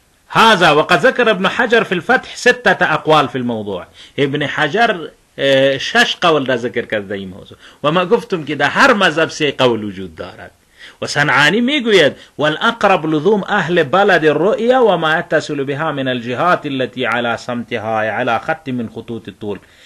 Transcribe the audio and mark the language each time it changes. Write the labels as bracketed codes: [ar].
[ar] هذا وقد ذكر ابن حجر في الفتح ستة اقوال في الموضوع. [fa] ابن حجر شش قول را ذکر کرده این موضوع، و ما گفتم که در هر مذهب سه قول وجود دارد. و صنعانی میگوید [ar] والاقرب لزوم اهل بلد الرؤيا وما يتصل بها من الجهات التي على سمتها على خط من خطوط الطول.